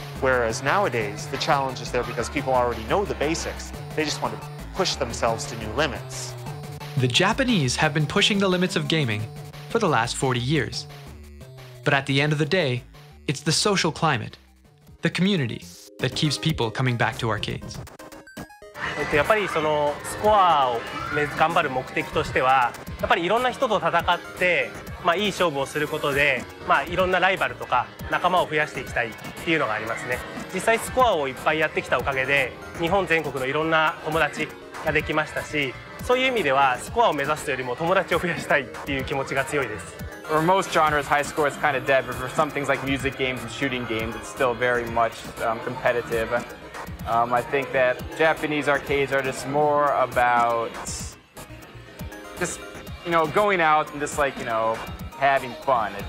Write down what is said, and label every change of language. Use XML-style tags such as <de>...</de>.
<en>Whereas nowadays, the challenge is there because people already know the basics. They just want to push themselves to new limits. The Japanese have been pushing the limits of gaming for the last 40 years. But at the end of the day, it's the social climate, the community, that keeps people coming back to arcades.</en> <ja>やっぱりそのスコアを頑張る目的としてはやっぱりいろんな人と戦って、まあ、いい勝負をすることで、まあ、いろんなライバルとか仲間を増やしていきたいっていうのがありますね。実際スコアをいっぱいやってきたおかげで日本全国のいろんな友達ができましたし、そういう意味ではスコアを目指すよりも友達を増やしたいっていう気持ちが強いです。</ja> <en>For most genres, high score is kind of dead, but for some things like music games and shooting games, it's still very much competitive. I think that Japanese arcades are just more about just, you know, going out and just like, you know, having fun.</en>